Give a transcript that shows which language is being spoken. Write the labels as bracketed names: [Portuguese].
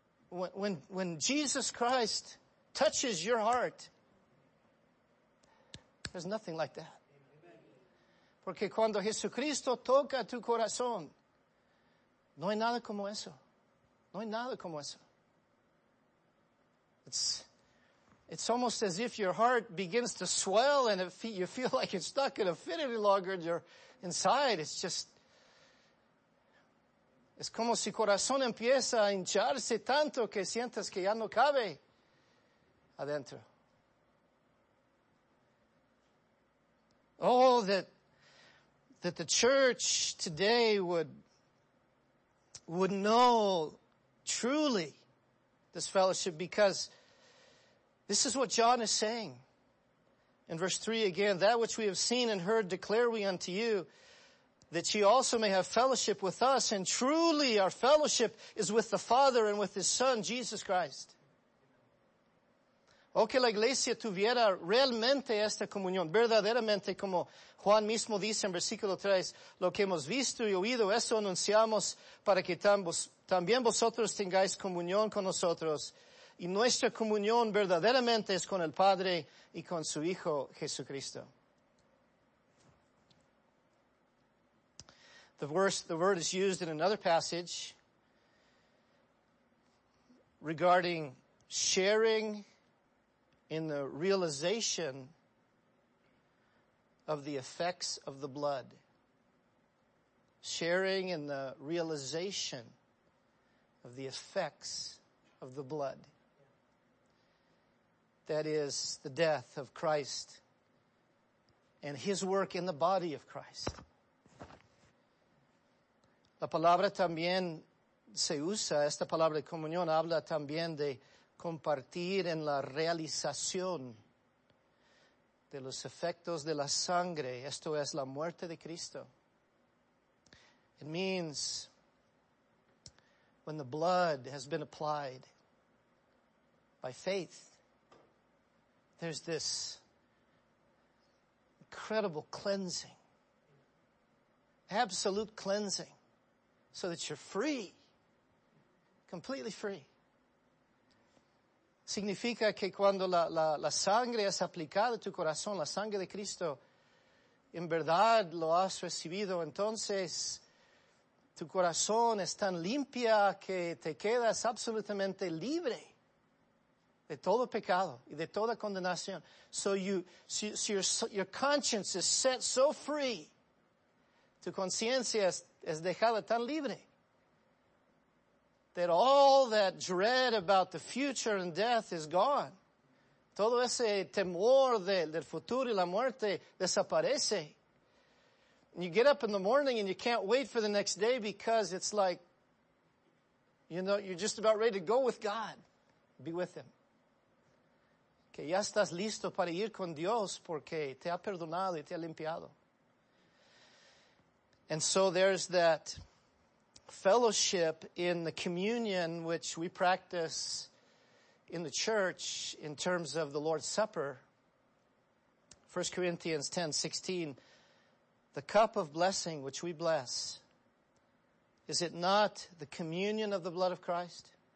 [English] Because when Jesus Christ touches your heart, there's nothing like that. [Spanish] Porque cuando Jesucristo toca tu corazón, no hay nada como eso. No hay nada como eso. [English] It's almost as if your heart begins to swell and you feel like it's not going to fit any longer in your inside. It's just, [Spanish] es como si corazón empieza a hincharse tanto que sientas que ya no cabe adentro. [English] Oh, that the church today would know truly this fellowship, because this is what John is saying in verse 3 again. That which we have seen and heard declare we unto you, that ye also may have fellowship with us, and truly our fellowship is with the Father and with His Son, Jesus Christ. [Spanish] O que la iglesia tuviera realmente esta comunión, verdaderamente como Juan mismo dice en versículo 3, lo que hemos visto y oído, eso anunciamos para que también vosotros tengáis comunión con nosotros. Y nuestra comunión verdaderamente es con el Padre y con su Hijo Jesucristo. [English] The word is used in another passage regarding sharing in the realization of the effects of the blood. Sharing in the realization of the effects of the blood. That is the death of Christ and His work in the body of Christ. [Spanish] La palabra también se usa, esta palabra de comunión habla también de compartir en la realización de los efectos de la sangre, esto es la muerte de Cristo. [English] It means when the blood has been applied by faith, there's this incredible cleansing, absolute cleansing, so that you're free, completely free. [Spanish] Significa que cuando la sangre es aplicada a tu corazón, la sangre de Cristo, en verdad lo has recibido, entonces tu corazón es tan limpia que te quedas absolutamente libre de todo pecado y de toda condenación. [English] So your conscience is set so free. [Spanish] Tu conciencia es dejada tan libre. [English] That all that dread about the future and death is gone. [Spanish] Todo ese temor del futuro y la muerte desaparece. [English] And you get up in the morning and you can't wait for the next day, because it's like, you know, you're just about ready to go with God. Be with Him. [Spanish] Que ya estás listo para ir con Dios porque te ha perdonado y te ha limpiado. [English] And so there's that fellowship in the communion which we practice in the church in terms of the Lord's Supper. 1 Corinthians 10:16, the cup of blessing which we bless, is it not the communion of the blood of Christ?